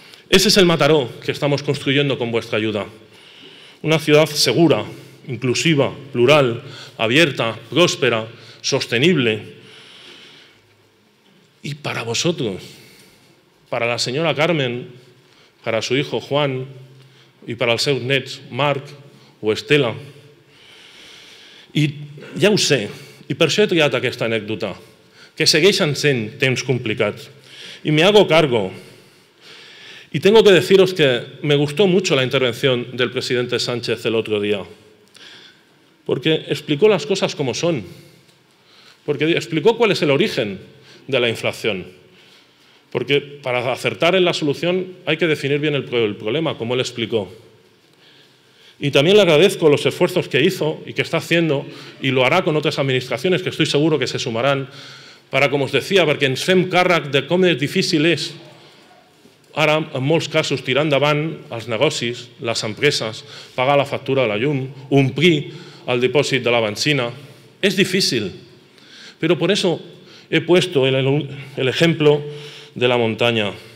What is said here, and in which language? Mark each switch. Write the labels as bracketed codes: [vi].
[es] Ese es el Mataró que estamos construyendo con vuestra ayuda. Una ciudad segura, inclusiva, plural, abierta, próspera, sostenible. Y para vosotros, para la señora Carmen, para su hijo Juan y para [ca] el seu net [es] Marc o Estela. [ca] Y ya ho sé, y per això he triat aquesta anècdota, que segueixen sent temps complicats. [es] Y me hago cargo. Y tengo que deciros que me gustó mucho la intervención del presidente Sánchez el otro día, porque explicó las cosas como son, porque explicó cuál es el origen de la inflación, porque para acertar en la solución hay que definir bien el problema, como él explicó. Y también le agradezco los esfuerzos que hizo y que está haciendo, y lo hará con otras administraciones, que estoy seguro que se sumarán, para, como os decía, porque [ca] ens fem càrrec de com és difícil és ara, en molts casos, tirar endavant els negocis, les empreses, pagar la factura de la llum, omplir el dipòsit de la benzina. És difícil, però per això he posat l'exemple de la muntanya.